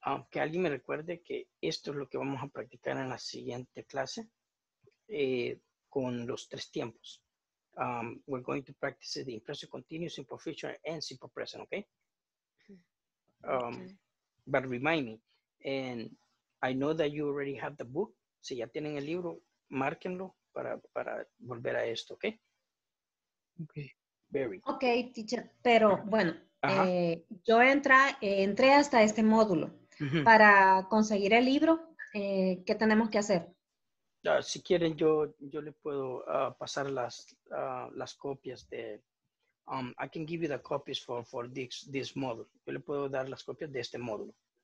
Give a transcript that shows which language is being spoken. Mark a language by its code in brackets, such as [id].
[es] Que alguien me recuerde que esto es lo que vamos a practicar en la siguiente clase con los tres tiempos. [en] We're going to practice the present continuous, simple future, and simple present, okay? Okay. But remind me, and I know that you already have the book. [es] Si ya tienen el libro, márquenlo. Para volver a esto, ¿ok? Ok. [en] Very. [es] Ok, teacher, pero bueno, yo entré hasta este módulo. Uh-huh. Para conseguir el libro, ¿qué tenemos que hacer? Si quieren, yo le puedo pasar las copias de... [en] I can give you the copies for this module. [es] Yo le puedo dar las copias de este módulo.